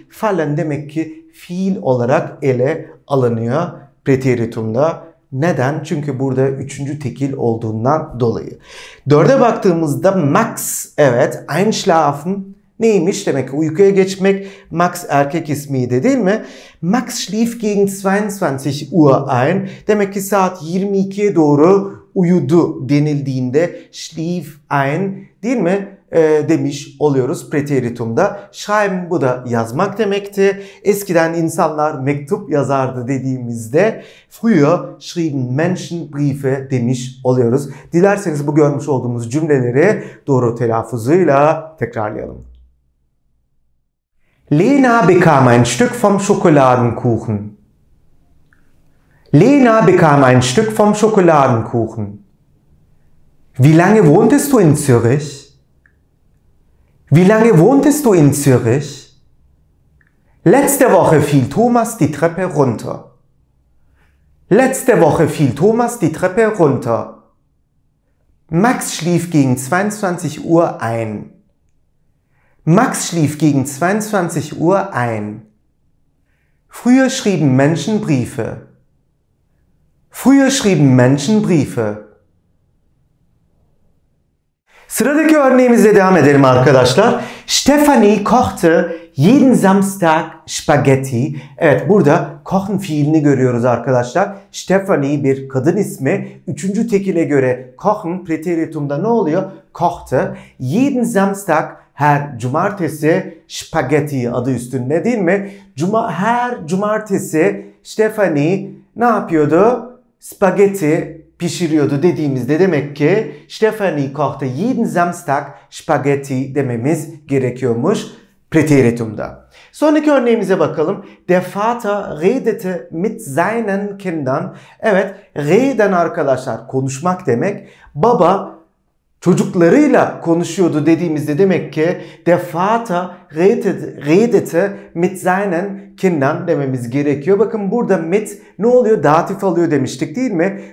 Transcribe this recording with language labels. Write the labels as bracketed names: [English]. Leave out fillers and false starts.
[Turkish] Fallen demek ki fiil olarak ele alınıyor preteritumda. Neden? Çünkü burada üçüncü tekil olduğundan dolayı. Dörde baktığımızda Max, evet, einschlafen Neymiş? Demek ki uykuya geçmek Max erkek ismiydi değil mi? [German] Max schlief gegen 22 Uhr ein. [Turkish] Demek ki saat 22'ye doğru uyudu denildiğinde schlief ein değil mi? Demiş oluyoruz preteritumda. Schreiben bu da yazmak demekti. Eskiden insanlar mektup yazardı dediğimizde [German] früher schrieben Menschen Briefe [Turkish] demiş oluyoruz. Dilerseniz bu görmüş olduğumuz cümleleri doğru telaffuzuyla tekrarlayalım. [German] Lena bekam ein Stück vom Schokoladenkuchen. Lena bekam ein Stück vom Schokoladenkuchen. Wie lange wohntest du in Zürich? Wie lange wohntest du in Zürich? Letzte Woche fiel Thomas die Treppe runter. Letzte Woche fiel Thomas die Treppe runter. Max schlief gegen 22 Uhr ein. Max schlief gegen 22 Uhr ein. Früher schrieben Menschen Briefe. Früher schrieben Menschen Briefe. [Turkish] Sıradaki örneğimizle devam edelim arkadaşlar. [German] Stephanie kochte jeden Samstag Spaghetti. [Turkish] Evet, burada kochen fiilini görüyoruz arkadaşlar. Stephanie bir kadın ismi. Üçüncü tekile göre kochen preteritumda ne oluyor? Kochte jeden Samstag, her cumartesi, Spaghetti adı üstünde değil mi? Her cumartesi Stephanie ne yapıyordu? Spaghetti pişiriyordu dediğimizde demek ki [German] Stephanie kochte jeden Samstag Spaghetti [Turkish] dememiz gerekiyormuş preteritumda. Sonraki örneğimize bakalım. [German] Der Vater redete mit seinen Kindern. [Turkish] Evet, reden arkadaşlar konuşmak demek. Baba çocuklarıyla konuşuyordu dediğimizde demek ki [German] der Vater redete mit seinen Kindern [Turkish] dememiz gerekiyor. Bakın burada mit ne oluyor? Datif alıyor demiştik değil mi?